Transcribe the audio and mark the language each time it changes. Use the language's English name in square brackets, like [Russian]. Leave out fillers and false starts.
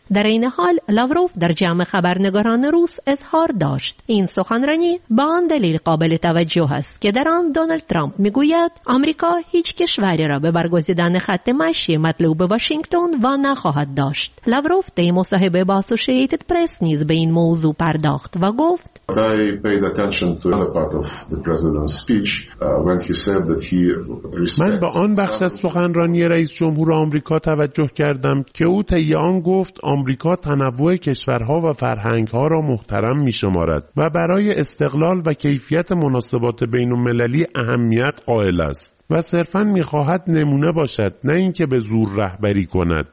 [Persian] در این حال لاوروف در جمع خبرنگاران روس اظهار داشت این سخنرانی با آن دلیل قابل توجه است که در آن دونالد ترامپ میگوید آمریکا هیچ کشوری را به برگزیدن خط مشی مطلوب واشنگتن وا نخواهد داشت. لاوروف در مصاحبه با اسوسییتد پرس نیز به این موضوع پرداخت و گفت: [English] I paid attention to another part of the president's speech when he said that he respects. [Persian] من به آن بخش از سخنرانی رئیس جمهور آمریکا توجه کردم که او طی آن گفت آمریکا تنوع کشورها و فرهنگها را محترم می‌شمارد و برای استقلال و کیفیت مناسبات بین‌المللی اهمیت قائل است. و صرفاً می‌خواهد نمونه باشد، نه اینکه به زور رهبری کند.